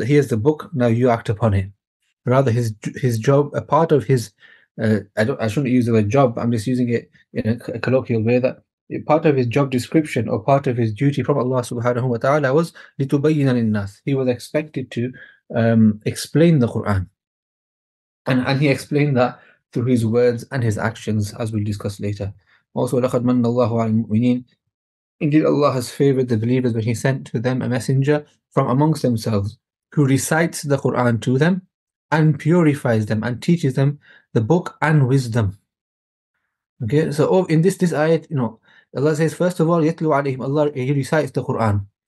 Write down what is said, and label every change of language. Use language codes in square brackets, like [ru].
[en] Here's the book, now you act upon it. Rather, his job, a part of his, I shouldn't use the word job, I'm just using it in a colloquial way, that part of his job description or part of his duty from Allah subhanahu wa ta'ala was [ar] لِتُبَيِّنَ لِلنَّاسِ. [en] He was expected to explain the Quran. And he explained that through his words and his actions, as we'll discuss later. [ar] Also, لَقَدْ مَنَّ اللَّهُ عَلَى الْمُؤْمِنِينَ. [en] Indeed, Allah has favored the believers when he sent to them a messenger from amongst themselves who recites the Quran to them and purifies them and teaches them the book and wisdom. Okay, so in this ayat, you know, Allah says, first of all, [ar] يَتْلُوا عَلَيْهِمْ, [en] Allah, he recites the Quran.